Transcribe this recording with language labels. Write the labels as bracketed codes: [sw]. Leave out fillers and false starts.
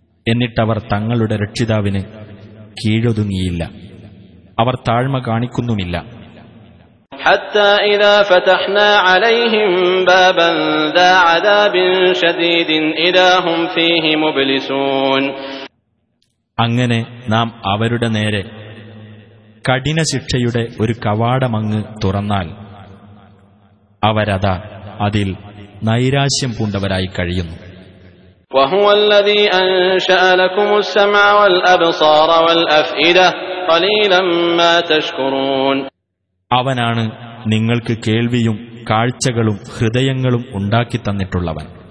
[ml] എന്നിട്ടവർ തങ്ങളുടെ രക്ഷിതാവിന് കീഴൊതുങ്ങിയില്ല, അവർ താഴ്മ കാണിക്കുന്നുമില്ല. [ar] حتى اذا فتحنا عليهم بابا ذا عذاب شديد اذا هم فيه مبلسون. [ml] അങ്ങനെ നാം അവരുടെ നേരെ കഠിന ശിക്ഷയുടെ ഒരു കവാടമങ്ങ് തുറന്നാൽ അവരതാ അതിൽ നൈരാശ്യം പൂണ്ടവരായി കഴിയുന്നു. [ar] وهو الذي انشا لكم السمع والابصار والافئده قليلا ما تشكرون. [ml] അവനാണ് നിങ്ങൾക്ക് കേൾവിയും കാഴ്ചകളും ഹൃദയങ്ങളും ഉണ്ടാക്കി തന്നിട്ടുള്ളവൻ.